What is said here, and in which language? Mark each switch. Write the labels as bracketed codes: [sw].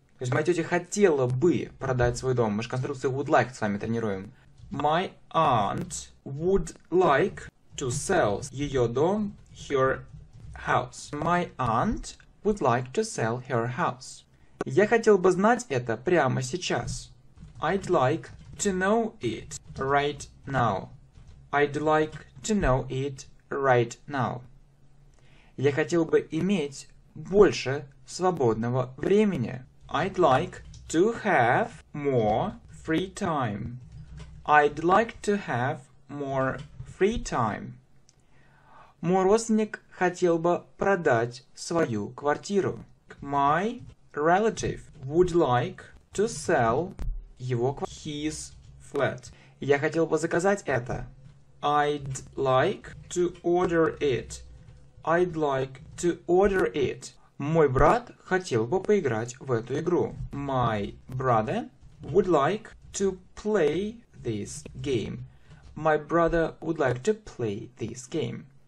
[ru] То есть моя тетя хотела бы продать свой дом. Мы же конструкцию [en] would like [ru] с вами тренируем. [en] My aunt would like to sell [ru] ее дом, [en] her house. My aunt would like to sell her house. [ru] Я хотел бы знать это прямо сейчас. [en] I'd like to know it right now. I'd like to know it right now. [ru] Я хотел бы иметь больше свободного времени. [en] I'd like to have more free time. I'd like to have more free time. [ru] Мой родственник хотел бы продать свою квартиру. [en] My relative would like to sell его his flat. [ru] Я хотел бы заказать это. [en] I'd like to order it. I'd like to order it. [ru] Мой брат хотел бы поиграть в эту игру. [en] My brother would like to play this game. My brother would like to play this game.